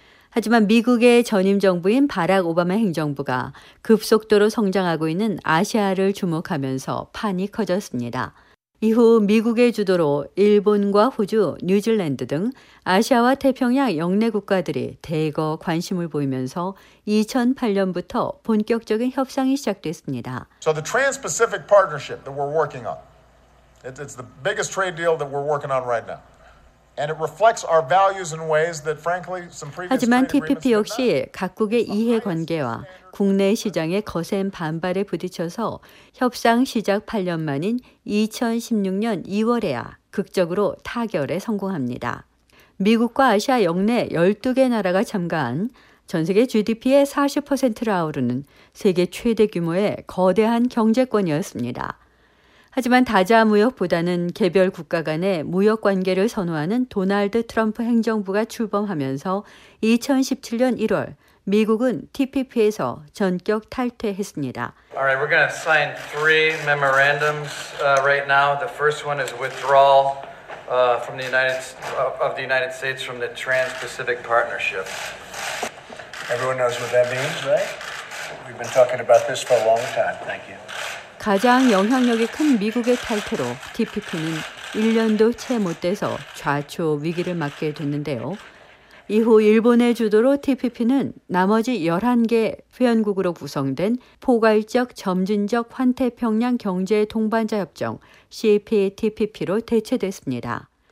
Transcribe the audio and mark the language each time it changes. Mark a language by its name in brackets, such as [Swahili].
[Korean] 하지만 미국의 전임 정부인 바락 오바마 행정부가 급속도로 성장하고 있는 아시아를 주목하면서 판이 커졌습니다. 이후 미국의 주도로 일본과 호주, 뉴질랜드 등 아시아와 태평양 역내 국가들이 대거 관심을 보이면서 2008년부터 본격적인 협상이 시작됐습니다. [English] So the Trans-Pacific Partnership that we're working on, it's the biggest trade deal that we're working on right now. And it reflects our values in ways that, frankly, some previous. [Korean] 하지만 TPP 역시 각국의 이해 관계와 국내 시장의 거센 반발에 부딪혀서 협상 시작 8년 만인 2016년 2월에야 극적으로 타결에 성공합니다. 미국과 아시아 역내 12개 나라가 참가한 전 세계 GDP의 40%를 아우르는 세계 최대 규모의 거대한 경제권이었습니다. 하지만 다자무역보다는 개별 국가 간의 무역관계를 선호하는 도널드 트럼프 행정부가 출범하면서 2017년 1월 미국은 TPP에서 전격 탈퇴했습니다. [English] All right, we're going to sign three memorandums right now. The first one is withdrawal of the United States from the Trans-Pacific Partnership. Everyone knows what that means, right? We've been talking about this for a long time. Thank you. [Korean] 가장 영향력이 큰 미국의 탈퇴로 TPP는 1년도 채 못 돼서 좌초 위기를 맞게 됐는데요. 이후 일본의 주도로 TPP는 나머지 11개 회원국으로 구성된 포괄적 점진적 환태평양 경제동반자협정 CPTPP로 대체됐습니다.